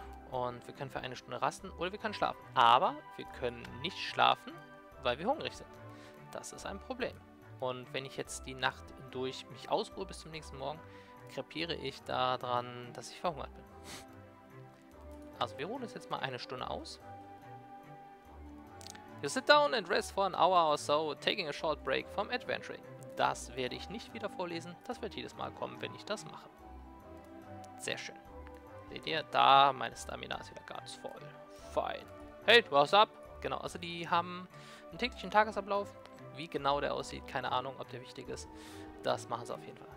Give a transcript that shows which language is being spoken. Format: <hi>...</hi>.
<de>Und wir können für eine Stunde rasten oder wir können schlafen. Aber wir können nicht schlafen, weil wir hungrig sind. Das ist ein Problem. Und wenn ich jetzt die Nacht durch mich ausruhe bis zum nächsten Morgen, krepiere ich daran, dass ich verhungert bin. Also wir ruhen uns jetzt mal eine Stunde aus.</de> <en>You sit down and rest for an hour or so, taking a short break from adventuring.</en> <de>Das werde ich nicht wieder vorlesen. Das wird jedes Mal kommen, wenn ich das mache. Sehr schön. Seht ihr, da meine Stamina ist wieder ganz voll. Fein.</de> <en>Hey, what's up?</en> <de>Genau, also die haben einen täglichen Tagesablauf. Wie genau der aussieht, keine Ahnung, ob der wichtig ist. Das machen sie auf jeden Fall.</de>